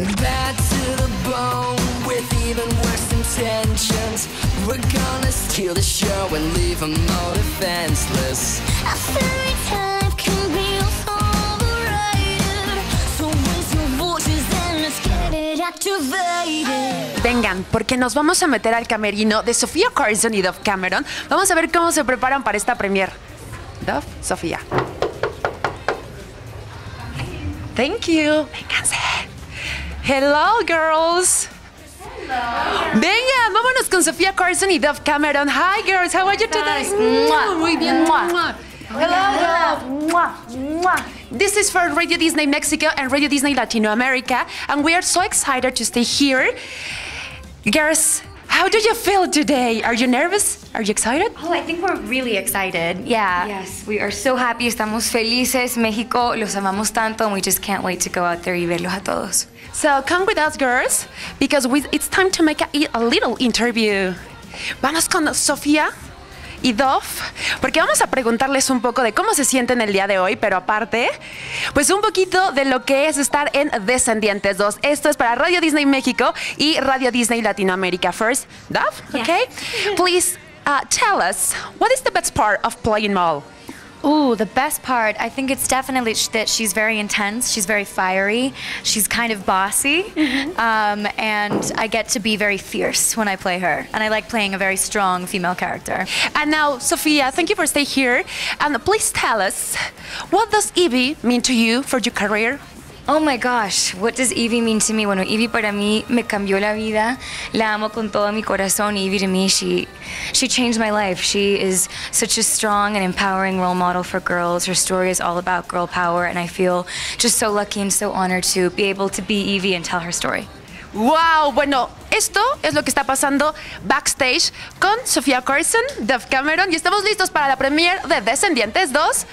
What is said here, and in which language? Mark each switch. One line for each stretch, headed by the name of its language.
English: Bad to the bone with even worse intentions. We're gonna steal the show and leave them all defenseless. A fairy tale can be overrated. So raise your voices and let's get it activated.
Spanish: Vengan, porque nos vamos a meter al camerino de Sofía Carson y Dove Cameron. Vamos a ver cómo se preparan para esta premiere. Dove, Sofía.
English: Thank you.
Spanish: Vénganse.
English: Hello, girls. Hello.
Spanish: Vengan, vámonos con Sofía Carson y Dove Cameron.
English: Hi, girls. How are you today?
Spanish: Muy bien.
English: Hello, Dove. This is for Radio Disney Mexico and Radio Disney Latinoamérica. And we are so excited to stay here. Girls, how do you feel today? Are you nervous? Are you excited? Oh, I think we're really excited. Yeah. Yes, we are so happy.
Spanish: Estamos felices. México, los amamos tanto.
English: And we just can't wait to go out there
Spanish: y verlos a todos.
English: So come with us, girls, because it's time to make a little interview.
Spanish: Vamos con Sofía y Dove, porque vamos a preguntarles un poco de cómo se sienten el día de hoy, pero aparte, pues un poquito de lo que es estar en Descendientes 2. Esto es para Radio Disney México y Radio Disney Latinoamérica.
English: First, Dove, okay? Yes. Please tell us, what is the best part of playing Mal? Ooh, the best part, I think it's definitely that she's very intense, she's very fiery, she's kind of bossy, and I get to be very fierce when I play her, and I like playing a very strong female character. And now, Sofía, thank you for staying here, and please tell us, what does Evie mean to you for your career? Oh my gosh, what does Evie mean to me?
Spanish: Bueno, Evie para mí me cambió la vida. La amo con todo mi corazón.
English: Evie to me, she changed my life. She is such a strong and empowering role model for girls. Her story is all about girl power, and I feel just so lucky and so honored to be able to be Evie and tell her story.
Spanish: Wow, bueno, esto es lo que está pasando backstage con Sofía Carson, Dove Cameron, y estamos listos para la premiere de Descendientes 2.